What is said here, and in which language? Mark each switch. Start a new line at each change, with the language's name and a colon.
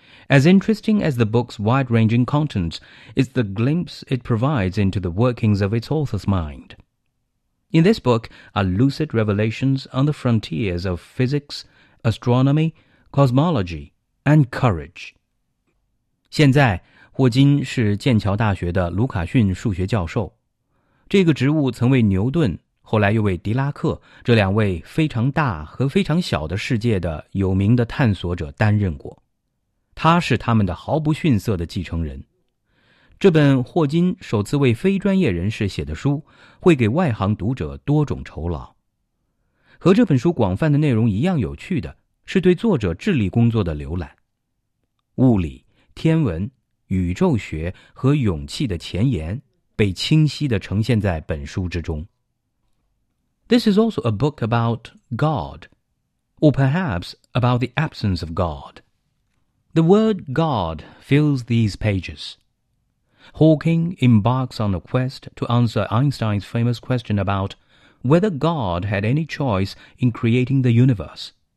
English: As interesting as the book's wide-ranging contents is the glimpse it provides into the workings of its author's mind. In this book are lucid revelations on the frontiers of physics, astronomy, cosmology, and courage.
Chinese: 现在，霍金是剑桥大学的卢卡逊数学教授。这个职务曾为牛顿，后来又为狄拉克，这两位非常大和非常小的世界的有名的探索者担任过。他是他们的毫不逊色的继承人。这本霍金首次为非专业人士写的书会给外行读者多种酬劳。和这本书广泛的内容一样有趣的是对作者智力工作的浏览。物理、天文、宇宙学和勇气的前沿被清晰地呈现在本书之中。
English: This is also a book about God, or perhaps about the absence of God. The word God fills these pages. Hawking embarks on a quest to answer Einstein's famous question about whether God had any choice in creating the universe.